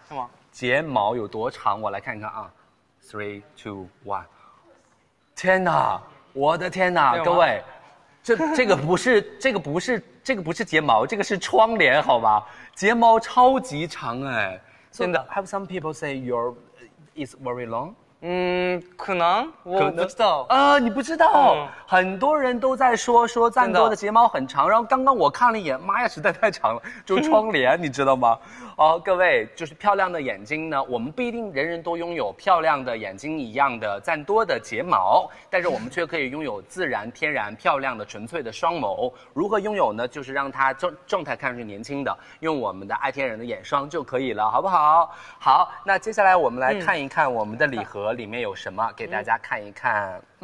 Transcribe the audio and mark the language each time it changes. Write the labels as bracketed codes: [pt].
[zh] 什么睫毛有多长，我来看看啊， 3, 2, 1，天哪，我的天哪，各位，这个不是睫毛，这个是窗帘好吧，睫毛超级长，哎，真的。 [en] Have some people say your is very long， [zh] 可能我不知道啊、你不知道、很多人都在说赞多的睫毛很长，然后刚刚我看了一眼，妈呀，实在太长了，就窗帘你知道吗，哦，各位，就是漂亮的眼睛呢，我们不一定人人都拥有漂亮的眼睛一样的赞多的睫毛，但是我们却可以拥有自然天然漂亮的纯粹的双眸，如何拥有呢，就是让它状态看上去年轻的，用我们的爱天人的眼霜就可以了，好不好，好，那接下来我们来看一看我们的礼盒、里面有什么，给大家看一看。